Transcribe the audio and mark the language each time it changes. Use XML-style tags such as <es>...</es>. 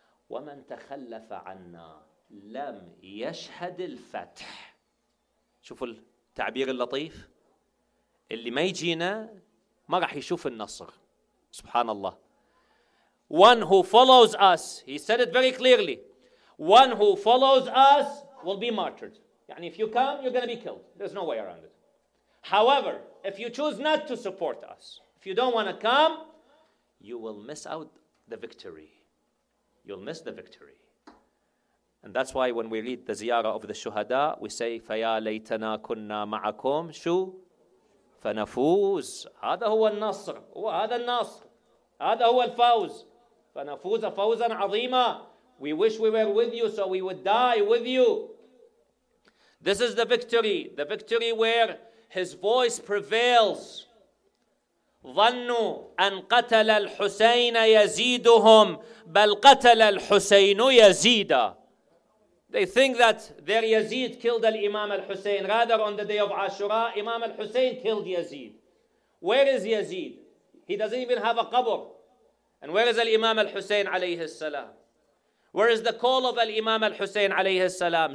<ar>ومن تخلف عنا لم يشهد الفتح. شوفوا التعبير اللطيف. اللي ما يجينا ما راح يشوف النصر. سبحان الله.</ar> <en>One who follows us, he said it very clearly. One who follows us will be martyred. يعني if you come, you're going to be killed. There's no way around it. However, if you choose not to support us, if you don't want to come, you will miss out the victory. You'll miss the victory. And that's why when we read the ziyarah of the shuhada, we say,</en> <ar>فَيَا لَيْتَنَا كُنَّا مَعَكُمْ شُو فَنَفُوز. هذا هو النصر. هو هذا النصر. هذا هو الفوز. فَنَفُوزَ فَوْزًا عَظِيمًا.</ar> <en>We wish we were with you so we would die with you. This is the victory. The victory where his voice prevails.</en> <ar>ظنوا أن قتل الحسين يزيدهم بل قتل الحسين يزيدا.</ar> <en>They think that their Yazid killed al-Imam al-Hussein. Rather, on the day of Ashura, Imam al-Hussein killed Yazid. Where is Yazid? He doesn't even have a qabr. And where is al-Imam al-Hussein alayhi salam? Where is the call of al-Imam al-Hussein alayhi salam?</en>